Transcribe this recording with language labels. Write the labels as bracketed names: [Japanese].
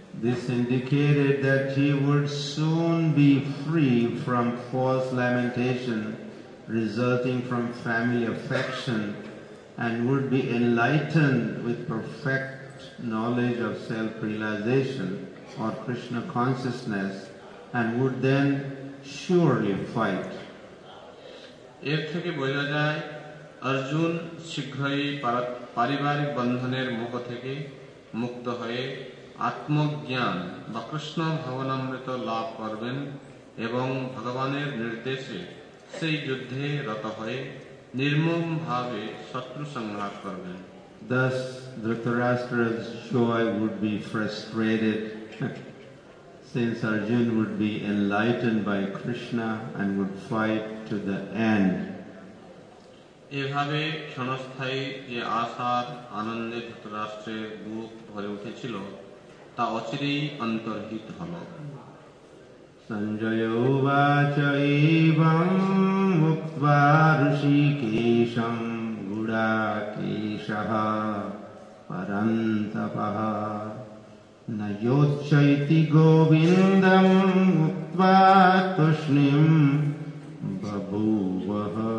[English] This indicated that he would soon be free from false lamentation resulting from family affection and would be enlightened with perfect knowledge of self-realization or Krishna consciousness and would then surely fight [Bangla] এর থেকে বোঝা যায় অর্জুন শীঘ্রই পারিবারিক বন্ধনের মোহ থেকে মুক্ত হয়ে আত্মজ্ঞান বা কৃষ্ণ ভাবনামৃত লাভ করবেন এবং ভগবানের নির্দেশে সেই যুদ্ধে রত হয়ে নির্মম ভাবে শত্রু সংহার করবেন [English] Thus, Dhritarashtra's joy would be frustrated since Arjun would be enlightened by Krishna and would fight to the end. [Bangla] এভাবে ক্ষণস্থায়ী যে আশার আনন্দে ধৃতরাষ্ট্রের বুক ভরে উঠেছিল তা অচিরেই অন্তর্হিত হল [Sanskrit] সঞ্জয় উবাচ এবং উক্ত্বা ঋষিকেশম গুড়াকেশ পরন্তপঃ নয়োচ্চৈতি গোবিন্দম উক্ত্বা তুষ্ণিম বভূবহ